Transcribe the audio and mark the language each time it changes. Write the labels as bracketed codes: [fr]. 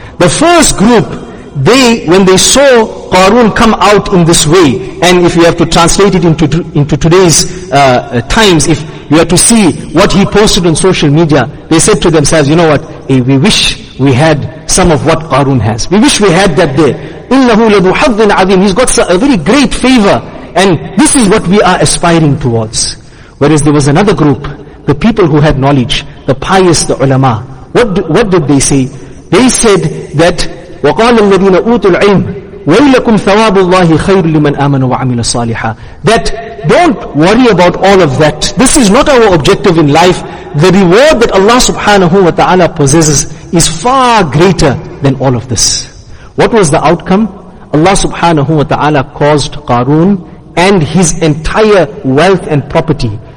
[en] The first group, when they saw Qarun come out in this way, and if you have to translate it into today's times, if you have to see what he posted on social media, they said to themselves, you know what, hey, we wish we had some of what Qarun has. We wish we had that there. [ar] إِنَّهُ لَذُو حَظٍ عَظِيمٍ. [en] He's got a very great favor, and this is what we are aspiring towards. Whereas there was another group, the people who had knowledge, the pious, the ulama. What did they say? They said that, [ar] وَقَالَ الَّذِينَ أُوتُوا الْعِلْمِ وَيْلَكُمْ ثَوَابُ اللَّهِ خَيْرٌ لِمَنْ آمَنَ وَعَمِلَ صَالِحًا. [en] That don't worry about all of that. This is not our objective in life. The reward that Allah subhanahu wa ta'ala possesses is far greater than all of this. What was the outcome? Allah subhanahu wa ta'ala caused Qarun and his entire wealth and property.